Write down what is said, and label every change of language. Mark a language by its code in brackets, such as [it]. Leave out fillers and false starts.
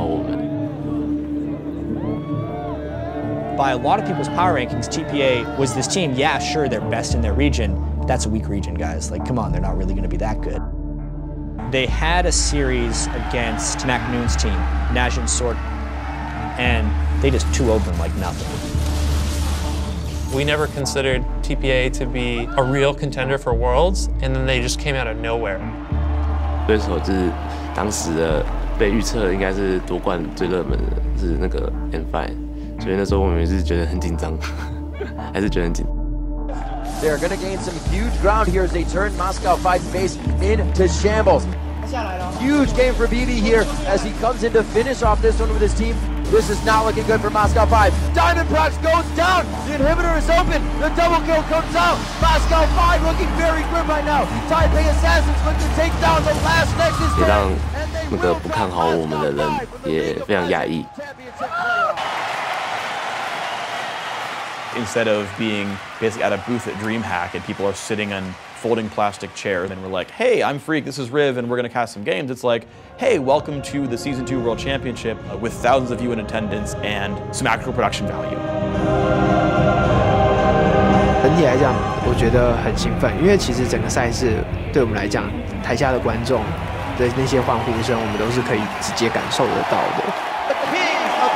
[zh] 第十一名，那时候基本上不会有人看好我们。 [en] By a lot of people's power rankings, TPA was this team. Yeah, sure, they're best in their region. that's a weak region, guys. Like, come on, they're not really gonna be that good. They had a series against Mac Noon's team, Najin Sword, and they just 2-0'd them like nothing. We never considered TPA to be a real contender for Worlds, and then they just came out of nowhere. [zh] 对手就是当时被预测应该是夺冠最热门的是那个N5，所以那时候我们也是觉得很紧张，还是觉得很紧张。 [en] They're gonna gain some huge ground here as they turn Moscow 5's base into shambles. Huge game for bebe here as he comes in to finish off this one with his team. This is not looking good for Moscow 5. Diamond Prox goes down. The inhibitor is open. The double kill comes out. Moscow 5 looking very good right now. Taipei Assassins look to take down the last Nexus. [zh] 也让那个不看好我们的人也非常压抑。 [en] Instead of being basically at a booth at DreamHack and people are sitting on folding plastic chairs and we're like, hey, I'm Freak, this is Riv, and we're gonna cast some games. It's like, hey, welcome to the Season 2 World Championship with thousands of you in attendance and some actual production value. [zh] 整体来讲，我觉得很兴奋，因为其实整个赛事对我们来讲，台下的观众的那些欢呼声，我们都是可以直接感受得到的。